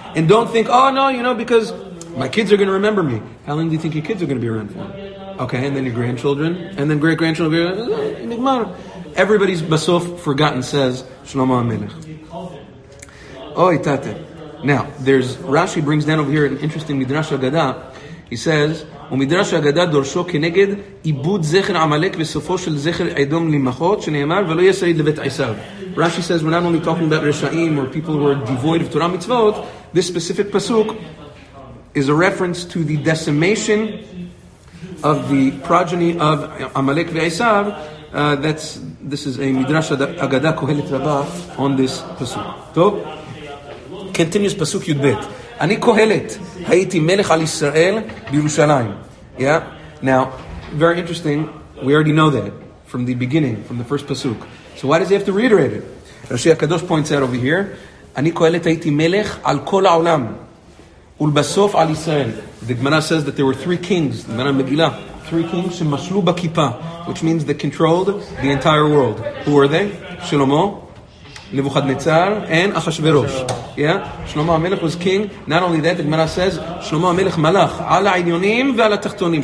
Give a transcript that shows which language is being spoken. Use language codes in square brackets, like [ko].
[en] And don't think, oh no, you know, because my kids are going to remember me. How long do you think your kids are going to be around for? Okay, and then your grandchildren, and then great-grandchildren. Everybody's basof forgotten, says Shlomo HaMelech. Oy tate. Now, there's Rashi brings down over here an interesting Midrash Agada. He says, [he] ומדרש אגדה דורשו כנגד איבוד זכר עמלק וסופו של זכר אדום למחות שנאמר ולא יסעיד לבית עשיו. [en] Rashi says, we're not only talking about Rishaim or people who are devoid of Torah mitzvot, this specific pasuk is a reference to the decimation of the progeny of Amalek ve'Esav. This is a Midrash Agada Kohelet Rabah on this pasuk. So, continues pasuk Yudbet. [he] אני קהלת, הייתי מלך על ישראל בירושלים. [en] Yeah? Now, very interesting, we already know that from the beginning, from the first pasuk. So why does he have to reiterate it? Rashi HaKadosh points out over here, [he] אני קהלת, הייתי מלך על כל העולם, ולבסוף על ישראל. [en] The Gemara says that there were three kings, the Gemara Megillah, three kings שמשלו בכיפה, which means they controlled the entire world. Who were they? Shlomo, Nebuchadnezzar, and Achashverosh. Yeah, Shlomo HaMelech was king. Not only that, the Gemara says, Shlomo HaMelech [he] malach, al ha'inyonim ve'al ha'tachtonim.